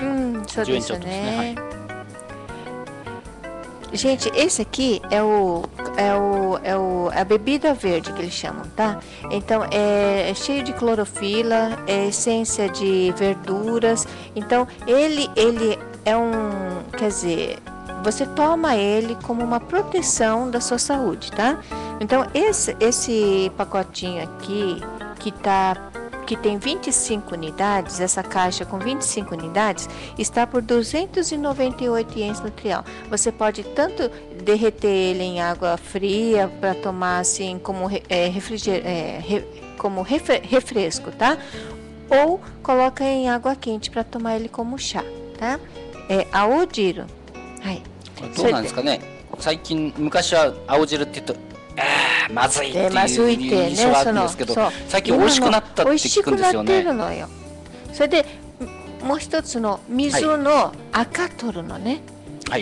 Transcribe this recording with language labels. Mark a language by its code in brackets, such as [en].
[ja] うん、そうですね。10円ちょっとですね、はい。 [pt] Gente, esse aqui é a bebida verde que eles chamam, tá? Então, é cheio de clorofila, é essência de verduras. Então, ele é um... Quer dizer, você toma ele como uma proteção da sua saúde, tá? Então, esse pacotinho aqui, que tem 25 unidades, essa caixa com 25 unidades, está por 298 ienes no trial. Você pode tanto derreter ele em água fria para tomar assim como, refresco, tá? Ou coloca em água quente para tomar ele como chá, tá? É aojiro. Ai. [ja] どうなんですかね。最近昔は青汁って言うと、まずいっていう印象があったんですけど、ね、そう最近美味しくなったって聞くんですよね。美味しくなってるのよ。それでもう一つの水の赤取るのね、はい、